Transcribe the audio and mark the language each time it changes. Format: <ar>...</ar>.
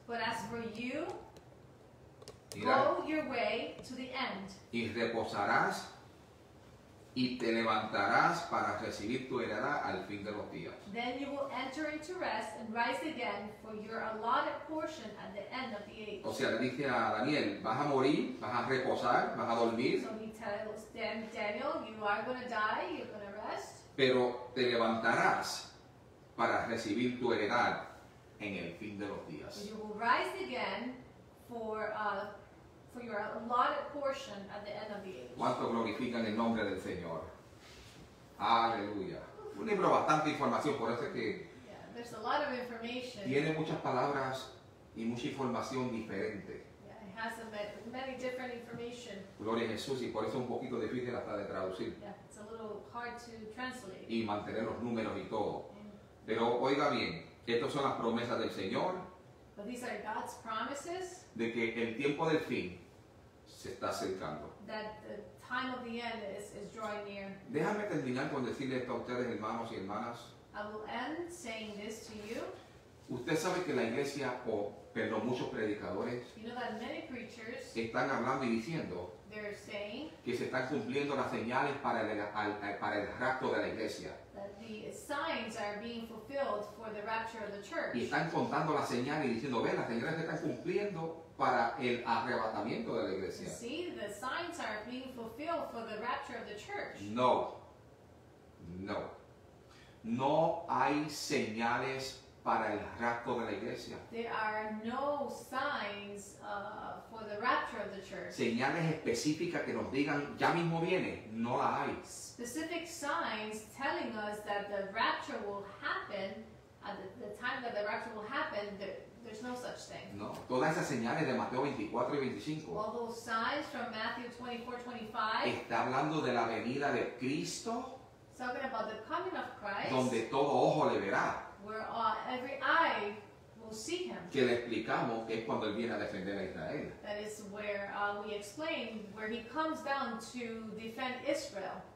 <en>But as for you, go your way to the end.</en> <es>Y reposarás. Y te levantarás para recibir tu heredad al fin de los días.</es> <en>Then you will enter into rest and rise again for your allotted portion at the end of the age.</en> <es>O sea, le dice a Daniel, vas a morir, vas a reposar, vas a dormir.</es> <en>So he tells Daniel, you are going to die, you're going to rest.</en> <es>Pero te levantarás para recibir tu heredad en el fin de los días.</es> <en>You will rise again for your allotted portion at the end of the age.</en> <es>¿Cuánto glorifican el nombre del Señor? Aleluya. Un libro bastante información, por eso es que</es> <en>there's a lot of information.</en> <es>Tiene muchas palabras y mucha información diferente.</es> <en>Has many different information.</en> <es>Gloria a Jesús, y por eso es un poquito difícil hasta de traducir.</es> <en>Yeah, it's a little hard to translate.</en> <es>Y mantener los números y todo. Pero oiga bien, estas son las promesas del Señor.</es> <en>But these are God's promises.</en> <es>De que el tiempo del fin se está acercando.</es> <en>That the time of the end is drawing near.</en> <es>Déjame terminar con decirle esto a ustedes, hermanos y hermanas.</es> <en>I will end saying this to you.</en> <es>Usted sabe que la iglesia pero muchos predicadores,</es> <en>you know that many preachers,</en> <es>están hablando y diciendo</es> <en>saying,</en> <es>que se están cumpliendo las señales para el rapto de la iglesia.</es> <en>The signs are being fulfilled for the rapture of the church.</en> <es>Y están contando las señales y diciendo, ven, las señales se están cumpliendo para el arrebatamiento de la iglesia.</es> <en>You see, the signs are being fulfilled for the rapture of the church.</en> <es>No, no. No hay señales para el rapto de la iglesia.</es> <en>There are no signs for the rapture of the church.</en> <es>Señales específicas que nos digan ya mismo viene, no la hay.</es> <en>Specific signs telling us that the rapture will happen at the time that the rapture will happen, there's no such thing.</en> <es>No, todas esas señales de Mateo 24 y 25.</es> <en>All those signs from Matthew 24:25.</en> <es>Está hablando de la venida de Cristo.</es> <en>Talking about the coming of Christ.</en> <es>Donde todo ojo le verá.</es> <en>Where every eye will see him.</en> <es>Que le explicamos que es cuando él viene a defender a Israel.</es> <en>That is where we explain where he comes down to defend Israel.</en>